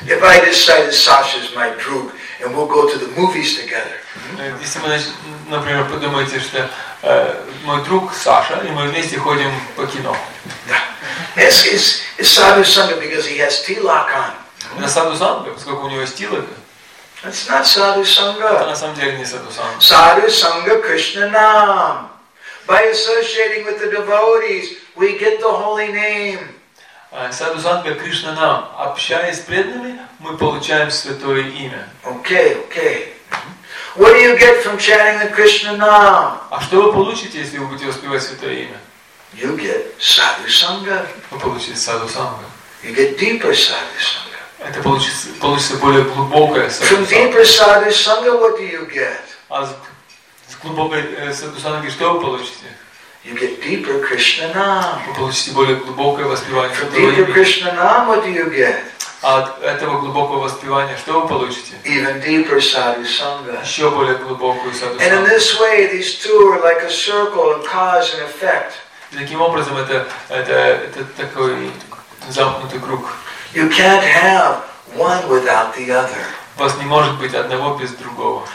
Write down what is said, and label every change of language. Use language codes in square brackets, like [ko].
[en] If I decide Sasha is my [ru] друг, [en] and we'll go to the movies together. [ru] Если вы, например, подумаете, что мой друг Саша, и мы вместе ходим по кино. [en] It's Sadhu Sangha because he has tilak on. [ru] На Sadhu Sangha, поскольку у него есть тилак. [en] That's not Sadhu Sangha. [ru] На самом деле не Sadhu Sangha. [sa] Sadhu Sangha Krishna Nam. [en] By associating with the devotees, we get the holy name. [sa] Sadhu Sangha Krishna Nam. [ru] Общаясь с преданными, мы получаем святое имя. [en] Okay, okay. What do you get from chanting the Krishna Nam? [ru] А что вы получите, если вы будете воспевать святое имя? [en] You get sadhu sangha. [ru] Вы получите sadhu sangha. [en] You get deeper sadhu sangha. [ru] Это получится более глубокое sadhu sangha. [en] From deeper sadhu sangha, what do you get? [ru] А с глубокой sadhu sangha что вы получите? [en] You get deeper Krishna Nam. [ru] Вы получите более глубокое воспевание [en] From deeper Krishna Nam, what do you get? [ru] А от этого глубокого воспевания что вы получите? [en] Even deeper sadhu sangha. [ru] Еще более глубокую sadhu sangha. [en] And in this way, these two are like a circle of cause and effect. [ru] Таким образом, это такой замкнутый круг. [en] You can't have one without the other. [ru] У вас не может быть одного без другого.